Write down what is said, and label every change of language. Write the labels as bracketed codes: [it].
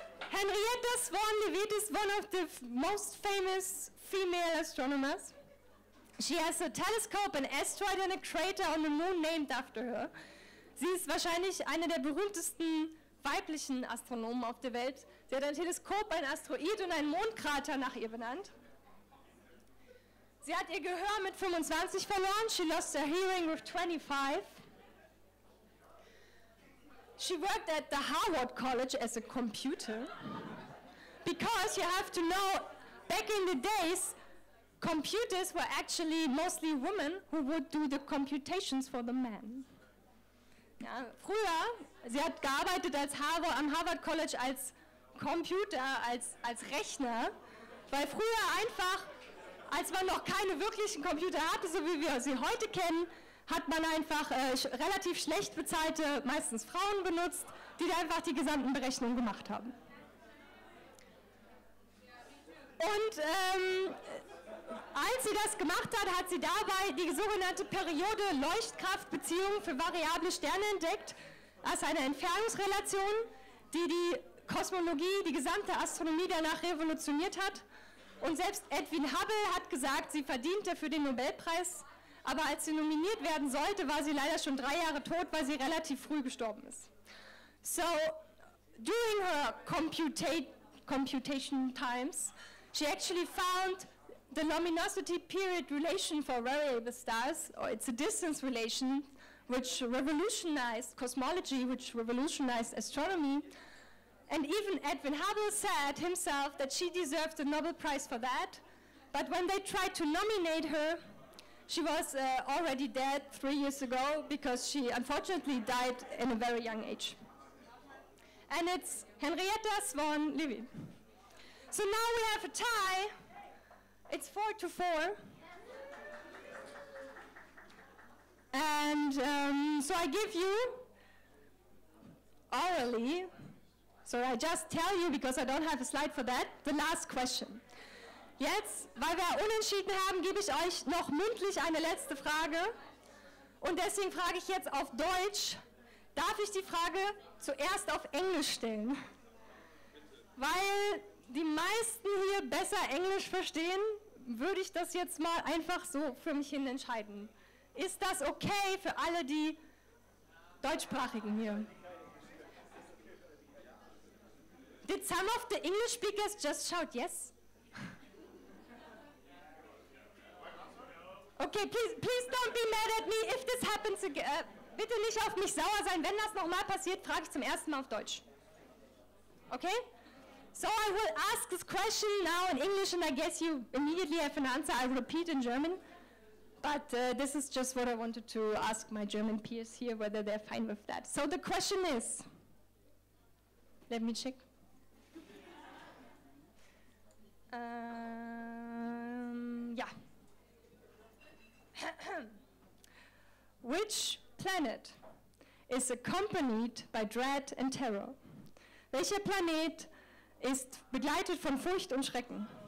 [en] Henrietta Swan Leavitt is one of the most famous female astronomers. She has a telescope, an asteroid and a crater on the moon named after her. [de] Sie ist wahrscheinlich eine der berühmtesten weiblichen Astronomen auf der Welt. Sie hat ein Teleskop, ein Asteroid und einen Mondkrater nach ihr benannt. Sie hat ihr Gehör mit 25 verloren. [en] She lost her hearing with 25. She worked at the Harvard College as a computer. Because you have to know, back in the days, computers were actually mostly women who would do the computations for the men. [de] Ja, früher, sie hat gearbeitet als am Harvard College als Computer, als Rechner. Weil früher einfach, als man noch keine wirklichen Computer hatte, so wie wir sie heute kennen, hat man einfach relativ schlecht bezahlte, meistens Frauen benutzt, die da einfach die gesamten Berechnungen gemacht haben. Und als sie das gemacht hat, hat sie dabei die sogenannte Periode-Leuchtkraft-Beziehung für variable Sterne entdeckt, als eine Entfernungsrelation, die die Kosmologie, die gesamte Astronomie danach revolutioniert hat. Und selbst Edwin Hubble hat gesagt, sie verdient dafür den Nobelpreis. Aber als sie nominiert werden sollte, war sie leider schon 3 Jahre tot, weil sie relativ früh gestorben ist. So, [en] during her computation times, she actually found the luminosity period relation for variable stars, or it's a distance relation, which revolutionized cosmology, which revolutionized astronomy. And even Edwin Hubble said himself that she deserved the Nobel Prize for that. But when they tried to nominate her, she was already dead 3 years ago because she unfortunately died in a very young age. And it's Henrietta Swan Levy. So now we have a tie. It's 4-4. And so I give you orally, so I just tell you because I don't have a slide for that, the last question. [de] Jetzt, weil wir unentschieden haben, gebe ich euch noch mündlich eine letzte Frage. Und deswegen frage ich jetzt auf Deutsch, darf ich die Frage zuerst auf Englisch stellen? Weil die meisten hier besser Englisch verstehen, würde ich das jetzt mal einfach so für mich hin entscheiden. Ist das okay für alle die Deutschsprachigen hier? [en] Did some of the English speakers just shout yes? Okay, please don't be mad at me if this happens again. [de] Bitte nicht auf mich sauer sein. Wenn das nochmal passiert, frage ich zum ersten Mal auf Deutsch. Okay? [en] So I will ask this question now in English and I guess you immediately have an answer. I repeat in German. But this is just what I wanted to ask my German peers here, whether they're fine with that. So the question is, let me check. Yeah. Which planet is accompanied by dread and terror? [de] Welcher Planet ist begleitet von Furcht und Schrecken?